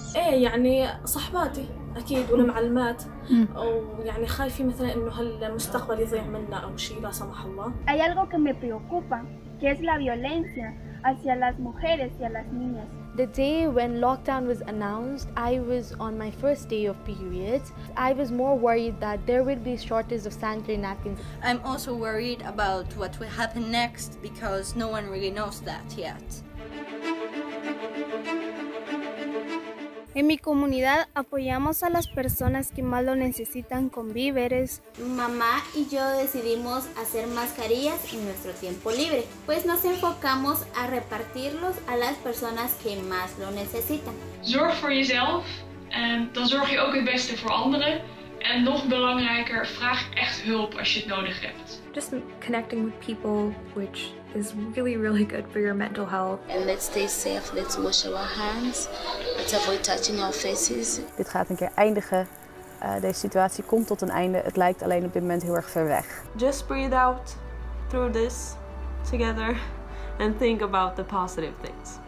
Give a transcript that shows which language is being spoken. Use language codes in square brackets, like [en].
[ar] Eh yani sahbati أكيد ولمعلمات ويعني خايفي مثلاً إنه هالمستقبل يضيع منا أو شيء لا سمح الله. [es] Hay algo que me preocupa, que es la violencia hacia las mujeres y a las niñas. [en] The day when lockdown was announced, I was on my first day of periods. I was more worried that there would be shortage of sanitary napkins. I'm also worried about what will happen next because no one really knows that yet. [es] En mi comunidad apoyamos a las personas que más lo necesitan con víveres. Mamá y yo decidimos hacer mascarillas en nuestro tiempo libre, pues nos enfocamos a repartirlos a las personas que más lo necesitan. [nl] Zorg voor jezelf en dan zorg je ook het beste voor anderen. En nog belangrijker, vraag echt hulp als je het nodig hebt. [en] Just connecting with people, which is really, really good for your mental health. And let's stay safe, let's wash our hands, let's avoid touching our faces. [nl] Dit gaat een keer eindigen. Deze situatie komt tot een einde. Het lijkt alleen op dit moment heel erg ver weg. [en] Just breathe out through this together and think about the positive things.